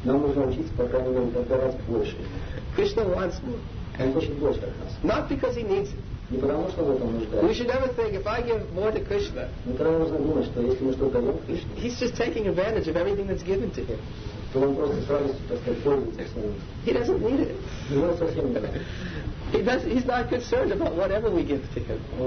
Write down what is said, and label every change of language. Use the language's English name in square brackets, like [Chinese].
[Russian] Нам нужно учиться, по крайней мере, давать больше. [English] Krishna wants more. [Russian] Он хочет больше от нас. [English] Not because he needs it. [Russian] Не потому, что он в этом нуждается. [English] We should never think, if I give more to Krishna, [Russian] никогда не нужно думать, что если мы что-то даем Кришне, [English] he's just taking advantage of everything that's given to him. [Russian] То он просто с радостью, так сказать, пользуется всем. [English] He doesn't need it. [Russian] Его совсем нет. [English] He's not concerned about whatever we give to him.